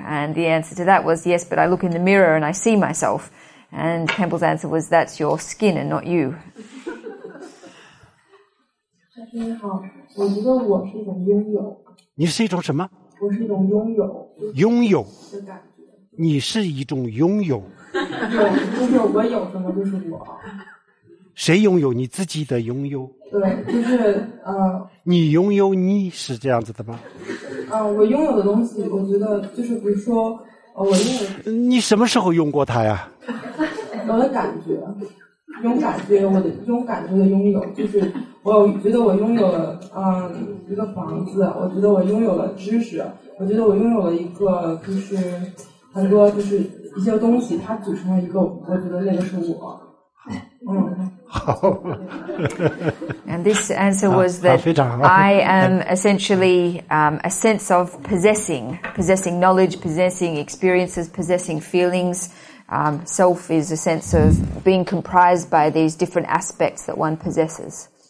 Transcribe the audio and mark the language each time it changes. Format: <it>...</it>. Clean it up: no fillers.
<en>And the answer to that was yes, but I look in the mirror and I see myself. And Kimball's answer was that's your skin and not you.</en> <zh>你好，我觉得我是一种拥有。你是一种什么？我是一种拥有。拥有的感觉。你是一种拥有。有，就是我有什么就是我。谁拥有你自己的拥有？对，就是你拥有你是这样子的吗？我拥有的东西，我觉得就是比如说，我拥有。你什么时候用过它呀？我的感觉。用感觉，我的用感觉的拥有，就是我觉得我拥有了一个房子，我觉得我拥有了知识，我觉得我拥有了一个就是很多就是一些东西，它组成了一个，我觉得那个是我。嗯，好。</zh> <en>And this answer was that I am essentially a sense of possessing knowledge, possessing experiences, possessing feelings. Self is a sense of being comprised by these different aspects that one possesses.</en>